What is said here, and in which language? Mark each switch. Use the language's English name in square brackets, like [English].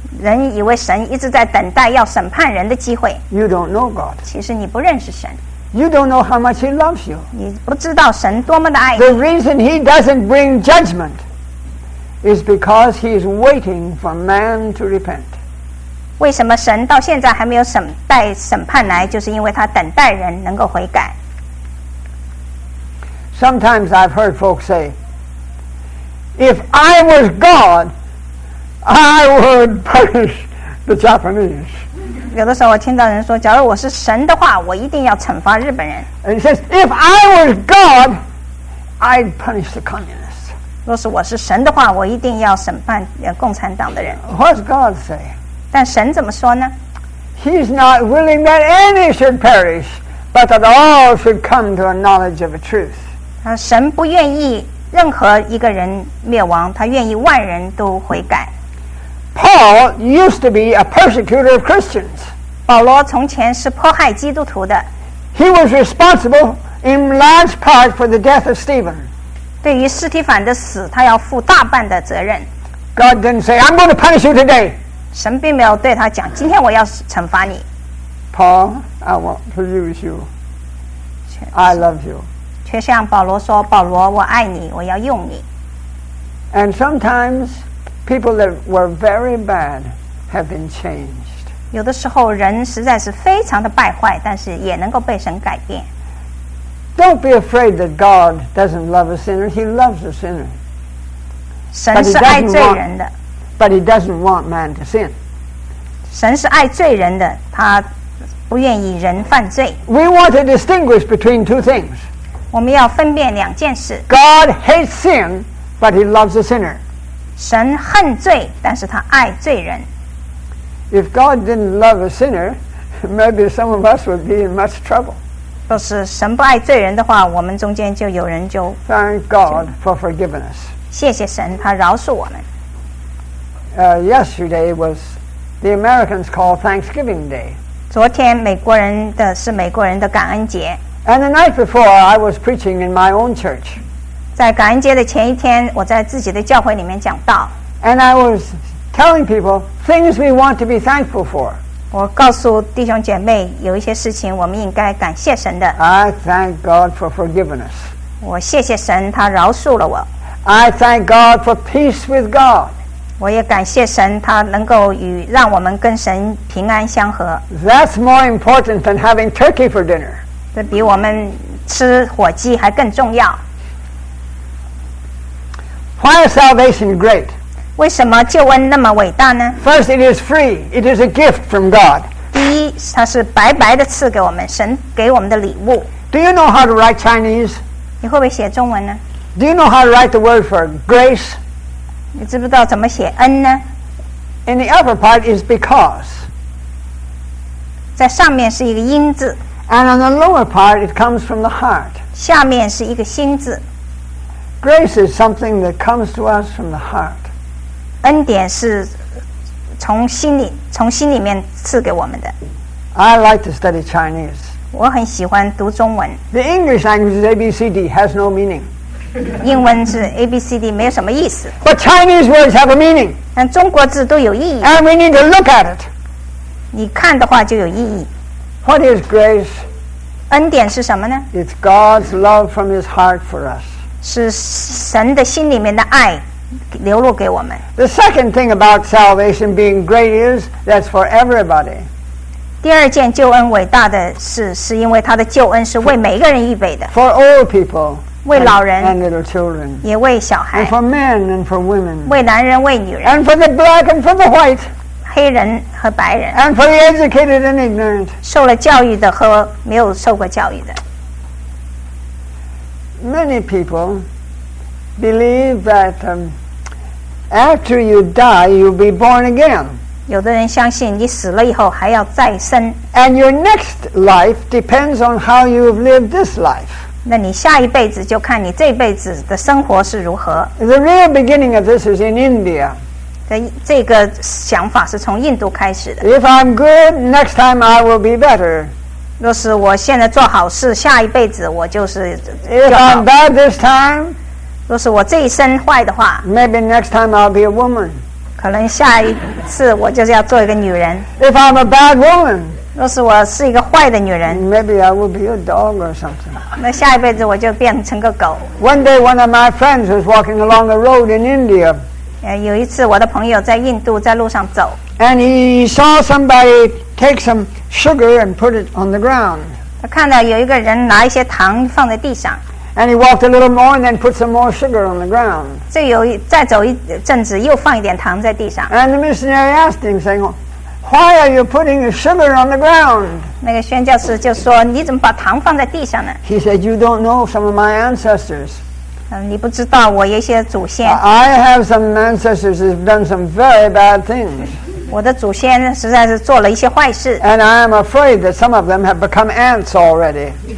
[Chinese] 人以为神一直在等待要审判人的机会。 [English] You don't know God. [Chinese] 其实你不认识神。 [English] You don't know how much He loves you. [Chinese] 你不知道神多么的爱你。 [English] The reason He doesn't bring judgment is because He is waiting for man to repent. [Chinese] 为什么神到现在还没有审判来，就是因为他等待人能够悔改。 [English] Sometimes I've heard folks say, "If I was God, I would punish the Japanese." [Chinese] 有的时候我听到人说，假如我是神的话，我一定要惩罚日本人。 [English] And he says, "If I was God, I'd punish the communists." [Chinese] 若是我是神的话，我一定要审判共产党的人。 [English] What does God say? [Chinese] 但神怎么说呢？ [English] He's not willing that any should perish, but that all should come to a knowledge of the truth. [Chinese] 神不愿意任何一个人灭亡，他愿意万人都悔改。 [English] Paul used to be a persecutor of Christians. [Chinese] 保罗从前是迫害基督徒的。 [English] He was responsible in large part for the death of Stephen. [Chinese] 对于斯提凡的死，他要负大半的责任。 [English] God didn't say, "I'm going to punish you today." [Chinese] 神并没有对他讲，今天我要惩罚你。 [English] Paul, I want to use you. I love you. [Chinese] 却像保罗说，保罗，我爱你，我要用你。 [English] And sometimes people that were very bad have been changed. [Chinese] 有的时候人实在是非常的败坏，但是也能够被神改变。 [English] Don't be afraid that God doesn't love a sinner. He loves a sinner. [Chinese] 神是爱罪人的。 [English] But he doesn't want man to sin. [Chinese] 神是爱罪人的，他不愿意人犯罪。 [English] We want to distinguish between two things. [Chinese] 我们要分辨两件事。 [English] God hates sin, but he loves a sinner. [Chinese] 神恨罪，但是他爱罪人。 [English] If God didn't love a sinner, maybe some of us would be in much trouble. [Chinese] 若是神不爱罪人的话，我们中间就有人就 [English] Thank God for forgiveness. [Chinese] 谢谢神，他饶恕我们。 [English] Yesterday was the Americans call Thanksgiving Day. [Chinese] 昨天美国人的是美国人的感恩节。 [English] And the night before, I was preaching in my own church. [Chinese] 在感恩节的前一天，我在自己的教会里面讲道。 [English] And I was telling people things we want to be thankful for. [Chinese] 我告诉弟兄姐妹，有一些事情我们应该感谢神的。 [English] I thank God for forgiveness. [Chinese] 我谢谢神，他饶恕了我。 [English] I thank God for peace with God. [Chinese] 我也感谢神，他能够让我们跟神平安相合。 [English] That's more important than having turkey for dinner. [Chinese] 这比我们吃火鸡还更重要。 [English] Why is salvation great? [Chinese] 为什么救恩那么伟大呢？ [English] First, it is free. It is a gift from God. [Chinese] 第一，它是白白的赐给我们，神给我们的礼物。 [English] Do you know how to write Chinese? [Chinese] 你会不会写中文呢？ [English] Do you know how to write the word for grace? [Chinese] 你知不知道怎么写恩呢？ [English] In the upper part is because. [Chinese] 在上面是一个因字。 [English] And on the lower part, it comes from the heart. [Chinese] 下面是一个心字。 [English] Grace is something that comes to us from the heart. [Chinese] 恩典是从心里面赐给我们的。 [English] I like to study Chinese. [Chinese] 我很喜欢读中文。 [English] The English language is A B C D has no meaning. [Chinese] 英文是 A B C D 没有什么意思。 [English] But Chinese words have a meaning. [Chinese] 但中国字都有意义。 [English] And we need to look at it. [Chinese] 你看的话就有意义。 [English] What is grace? [Chinese] 恩典是什么呢？ [English] It's God's love from His heart for us. [Chinese] 是神的心里面的爱。流露给我们。 [English] The second thing about salvation being great is that's for everybody. [Chinese] 第二件救恩伟大的事，是因为他的救恩是为每一个人预备的。 [English] For old people, [Chinese] 为老人 [English] and little children, [Chinese] 也为小孩。 [English] And for men and for women, [Chinese] 为男人为女人。 [English] And for the black and for the white, [Chinese] 黑人和白人。 [English] And for the educated and ignorant, [Chinese] 受了教育的和没有受过教育的。 [English] Many people. Believe that After you die, you'll be born again. [Chinese] 有的人相信你死了以后还要再生。 [English] And your next life depends on how you've lived this life. [Chinese] 那你下一辈子就看你这辈子的生活是如何。 [English] The real beginning of this is in India. [Chinese] 这个想法是从印度开始的。 [English] If I'm good, next time I will be better. [Chinese] 若是我现在做好事，下一辈子我就是就好。 [English] If I'm bad this time, [Chinese] 若是我这一生坏的话， [English] maybe next time I'll be a woman. [Chinese] 可能下一次我就是要做一个女人。 [English] If I'm a bad woman, [Chinese] 若是我是一个坏的女人， [English] maybe I will be a dog or something. [Chinese] 那下一辈子我就变成个狗。 [English] One day, one of my friends was walking along a road in India. [Chinese] 有一次我的朋友在印度在路上走。 [English] And he saw somebody take some sugar and put it on the ground. [Chinese] 他看到有一个人拿一些糖放在地上。 [English] And he walked a little more and then put some more sugar on the ground. [Chinese] 这有再走一阵子又放一点糖在地上。 [English] And the missionary asked him, saying, why are you putting sugar on the ground? [Chinese] 那个宣教士就说你怎么把糖放在地上呢？ [English] He said, you don't know some of my ancestors. [Chinese] 你不知道我一些祖先。 [English] I have some ancestors who have done some very bad things. [Chinese] 我的祖先实在是做了一些坏事。 [English] And I am afraid that some of them have become ants already.